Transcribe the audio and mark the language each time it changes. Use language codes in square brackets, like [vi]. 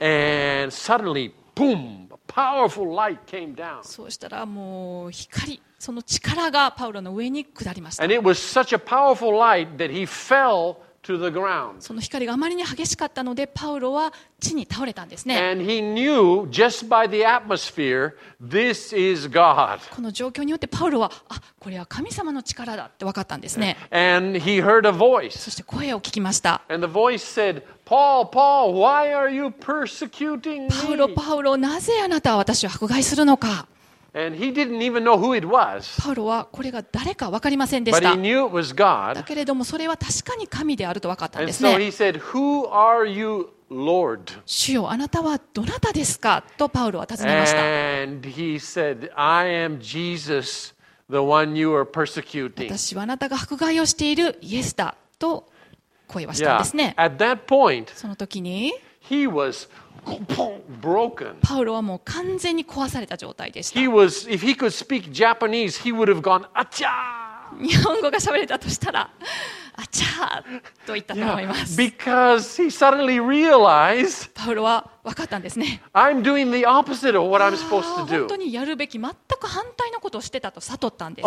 [en] Yeah. And suddenly, boom, a powerful light came down. [ja] そうしたらもう光、その力がパウロの上に下りました。 [en] And it was such a powerful light that he fell to the ground. [ja] その光があまりに激しかったので、パウロは地に倒れたんですね。 [en] And he knew just by the atmosphere, this is God. [ja] この状況によってパウロは、あ、これは神様の力だって分かったんですね。 [en] And he heard a voice. [ja] そして声を聞きました。 [en] And the voice said, Paul, Paul, why are you persecuting me? [ja] パウロ、パウロ、なぜあなたは私を迫害するのか。 [en] And he didn't even know who it was. [ja] パウロはこれが誰か分かりませんでした。 [en] But he knew it was God. [ja] だけれどもそれは確かに神であると分かったんですね。 [en] And so he said, "Who are you, Lord?" [ja] 主よ、あなたはどなたですかとパウロは尋ねました。 [en] And he said, "I am Jesus, the one you are persecuting." [ja] 私はあなたが迫害をしているイエスだと声はしたんですね。 [en] Yeah. At that point, [ja] その時に、 [en] he was. Broken. [ja] パウロはもう完全に壊された状態でした。 [en] He was, if he could speak Japanese, he would have gone, あちゃー! [ja] 日本語が喋れたとしたら、あちゃーと言ったと思います。 [en] Yeah, because he suddenly realized, [ja] パウロは分かったんですね。 [en] I'm doing the opposite of what I'm supposed to do. [ja] 本当にやるべき全く反対のことをしてたと悟ったんです。